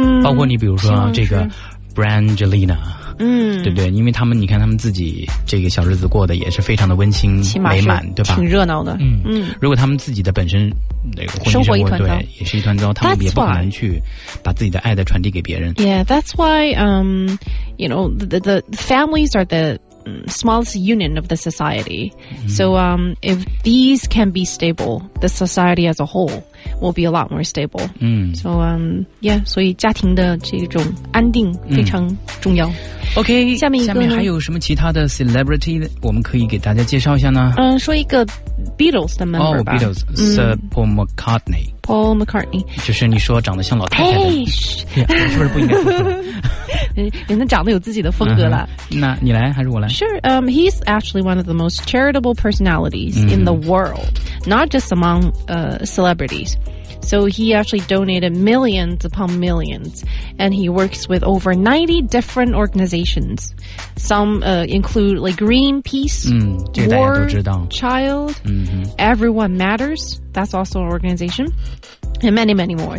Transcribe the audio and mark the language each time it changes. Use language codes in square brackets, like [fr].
[zh] 包括你比如说这个 Brangelina， 对不对？因为他们你看他们自己这个小日子过得也是非常的温馨美满，对吧？挺热闹的。如果他们自己的本身那个生活一团糟，对，也是一团糟，他们也不可能去把自己的爱再传递给别人。 [en] Yeah, that's why you know, the families are the smallest union of the society. So if these can be stable, the society as a whole will be a lot more stable. [zh] Yeah, 所以家庭的这种安定非常重要。 OK, 下面还有什么其他的 celebrity 我们可以给大家介绍一下呢？说一个 Beatles 的 member 吧。 [en] Beatles, Sir Paul McCartney. Paul McCartney. [zh] 就是你说长得像老太太的。哎，是不是不应该说？人家长得有自己的风格了。那你来还是我来？ [en] Sure, he's actually one of the most charitable personalities in the world, not just among celebrities. So he actually donated millions upon millions, and he works with over 90 different organizations. Some include like Greenpeace, War Child, Everyone Matters, that's also an organization. And many, many more.